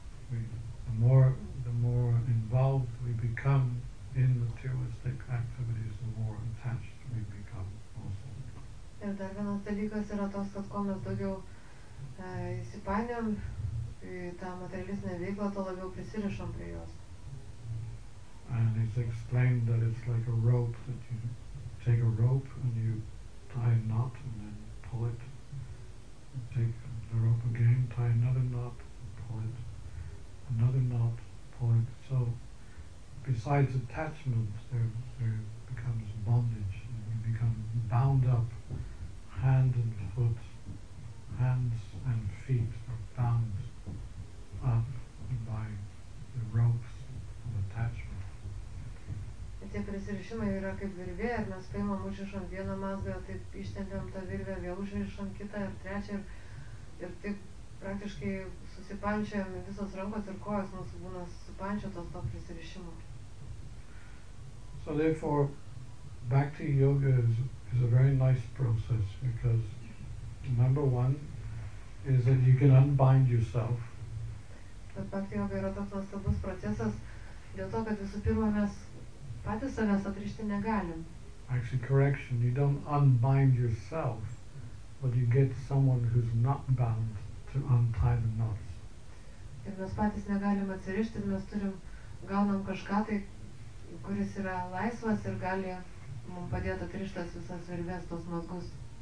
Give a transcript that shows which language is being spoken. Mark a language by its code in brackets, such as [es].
[en] The more involved we become in materialistic activities, the more attached we become also. [lt] Ir dar vienas dalykas yra tos, kad kuo mes daugiau įsipainiam į tą materialistinę veiklą, to labiau prisirišom prie jos. [en] And it's explained that it's like a rope, that you take a rope and you tie a knot and then pull it. Take the rope again, tie another knot, pull it, another knot, pull it. So, besides attachment, there becomes bondage. You become bound up, hand and foot, hands and feet are bound up by the ropes of attachment. [lt] Tie prisirišimai yra kaip virvė, ir mes paimam užrišom vieną mazgą, taip ištempiam tą virvę, vėl užrišom kitą ir trečią. Ir taip praktiškai susipančiojom visos rankos ir kojos mūsų būna supančiotos to prisirišimo. [en] So therefore, Bhakti Yoga is a very nice process, because number one is that you can unbind yourself. [lt] Bet Bhakti Yoga yra toks nuostabus procesas, dėl to, kad visų pirma mes patys savęs atrišti negalim. [en] Actually, correction, you don't unbind yourself. But you get someone who's not bound to untie the knots. [lt] Ir mes patys negalim atsirišti, mes turim gaunam kažką tai, kuris yra laisvas ir gali mum padėti atrišti tas visas virves, tos mazgus.